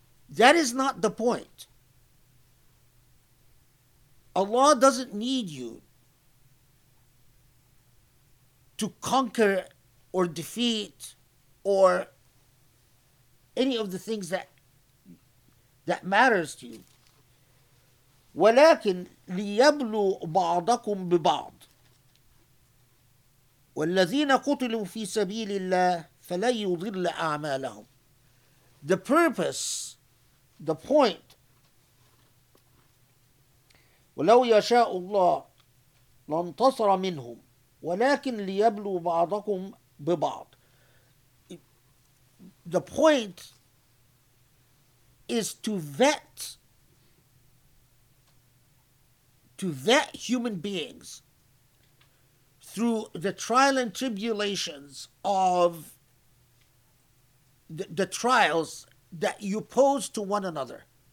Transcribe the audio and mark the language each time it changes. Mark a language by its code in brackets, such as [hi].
[en] That is not the point. Allah doesn't need you to conquer or defeat or any of the things that that matters to you. [ar] ولكن ليبلو بعضكم ببعض والذين قتلوا في سبيل الله فلن يضل أعمالهم. [en] The purpose, the point. [ar] ولو يشاء الله لانتصر منهم ولكن ليبلو بعضكم ببعض. [en] The point is to vet human beings through the trial and tribulations of the trials that you pose to one another.